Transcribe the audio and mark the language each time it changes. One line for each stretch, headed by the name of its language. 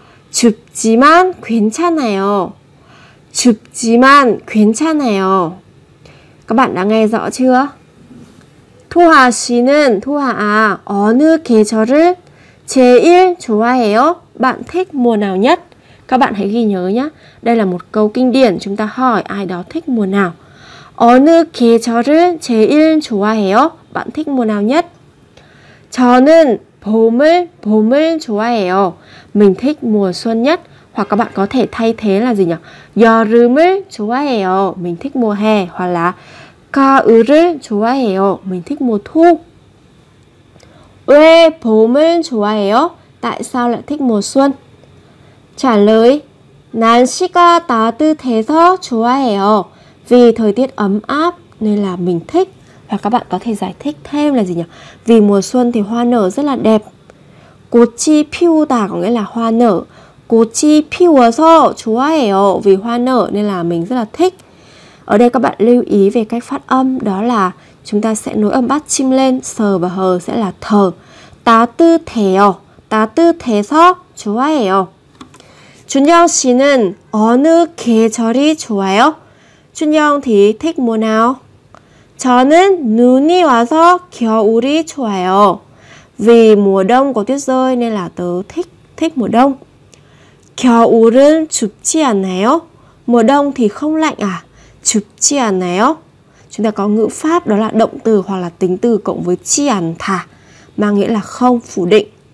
Korean: 춥지만 괜찮아요. 춥지만 괜찮아요.
Vietnamese: Các bạn đã nghe rõ chưa?
Korean: 토하 씨는 토하 아 어느 계절을 제일 좋아해요?
Vietnamese: Bạn thích mùa nào nhất? Các bạn hãy ghi nhớ nhé. Đây là một câu kinh điển, chúng ta hỏi ai đó thích mùa nào.
Korean: 어느 계절을 제일 좋아해요?
Vietnamese: Bạn thích mùa nào nhất?
Korean: 저는 봄을 좋아해요.
Vietnamese: Mình thích mùa xuân nhất. Hoặc các bạn có thể thay thế là gì nhỉ?
Korean: 여름을 좋아해요.
Vietnamese: Mình thích mùa hè. Hoặc là
Korean: 가을을 좋아해요.
Vietnamese: Mình thích mùa thu.
Korean: 왜 봄을 좋아해요?
Vietnamese: Tại sao lại thích mùa xuân? Trả lời
Korean: 날씨가 따뜻해서 좋아해요.
Vietnamese: Vì thời tiết ấm áp nên là mình thích. Và các bạn có thể giải thích thêm là gì nhỉ? Vì mùa xuân thì hoa nở rất là đẹp.
Korean: 꽃이 피우다
Vietnamese: có nghĩa là hoa nở.
Korean: 꽃이 피워서 좋아해요.
Vietnamese: Vì hoa nở nên là mình rất là thích. Ở đây các bạn lưu ý về cách phát âm, đó là chúng ta sẽ nối âm bát chim lên, sờ và hờ sẽ là thờ.
Korean: 따뜻해요. 따뜻해서 좋아해요. 준영 씨는 어느 계절이 좋아요?
Vietnamese: 준영 thì thích mùa nào?
Korean: 저는 눈이 와서 겨울이 좋아요.
Vietnamese: Vì mùa đông có tuyết rơi nên là tớ thích mùa đông.
Korean: 겨울은 춥지 않나요?
Vietnamese: Mùa đông thì không lạnh à?
Korean: 춥지 않나요?
Vietnamese: Chúng ta có ngữ pháp đó là động từ hoặc là tính từ cộng với 지 않다 mang nghĩa là không, phủ định.